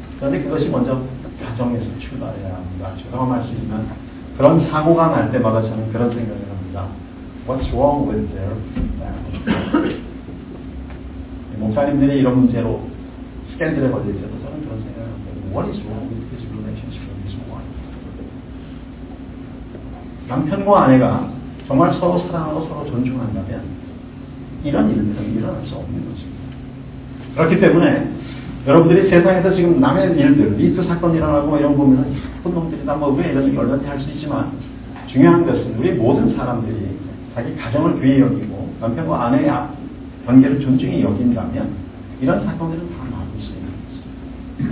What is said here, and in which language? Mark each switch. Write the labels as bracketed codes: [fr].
[ko] 그런데 그것이 먼저 가정에서 출발해야 합니다. 죄송한 말씀이지만 그런 사고가 날 때마다 저는 그런 생각을 합니다. [en] What's wrong with their family? [ko] 목사님들이 이런 문제로 스캔들에 걸리셔도 저는 그런 생각을 합니다. [en] What is wrong with this relationship with his wife? [ko] 남편과 아내가 정말 서로 사랑하고 서로 존중한다면 이런 일들은 일어날 수 없는 것입니다. 그렇기 때문에 여러분들이 세상에서 지금 남의 일들, 미투 사건 일어나고 이런 거 보면 나쁜 놈들이다, 뭐 왜 이런 일이 얼마든지 할 수 있지만 중요한 것은 우리 모든 사람들이 자기 가정을 귀히 여기고 남편과 아내의 관계를 존중히 여긴다면 이런 사건들은 다 막을 수 있는 것입니다.